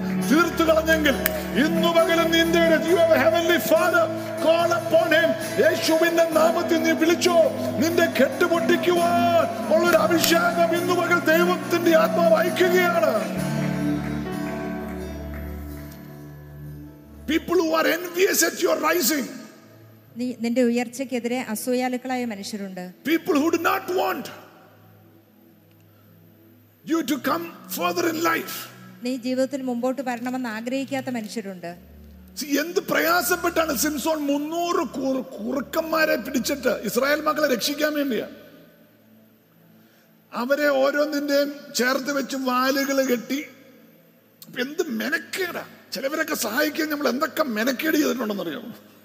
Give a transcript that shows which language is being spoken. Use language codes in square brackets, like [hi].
[ml] തീർത്തു കളഞ്ഞെങ്കിൽ ഇന്നു പകലും നിന്റെ [en] heavenly father call upon him [ml] യേശുവിന്റെ നാമത്തിൽ നീ വിളിച്ചോ നിന്റെ കെട്ട് പൊട്ടിക്കുവാൻ ഉള്ളൊരു അഭിഷേകം ഇന്നു പകൽ ദൈവത്തിന്റെ ആത്മാവ് അയക്കുകയാണ് [en] people who are envious at your rising [ml] നിന്റെ ഉയർച്ചയ്ക്കെതിരെ അസൂയാലുക്കളായ മനുഷ്യരുണ്ട് [en] people who do not want you to come further in life [ml] നീ ജീവിതത്തിൽ മുമ്പോട്ട് വരണമെന്ന് ആഗ്രഹിക്കാത്ത മനുഷ്യരുണ്ട് എന്ത് പ്രയാസപ്പെട്ടാണ് സിംസോൺ 300 കുറുക്കന്മാരെ പിടിച്ചിട്ട് ഇസ്രായേൽ മക്കളെ രക്ഷിക്കാൻ വേണ്ടിയാ അവരെ ഓരോന്നിന്റെയും ചേർത്ത് വെച്ച് വാലുകൾ കെട്ടി എന്ത് മെനക്കേടാ ചിലവരൊക്കെ സഹായിക്കാൻ നമ്മൾ എന്തൊക്കെ മെനക്കേട് ചെയ്തിട്ടുണ്ടെന്ന് അറിയാമോ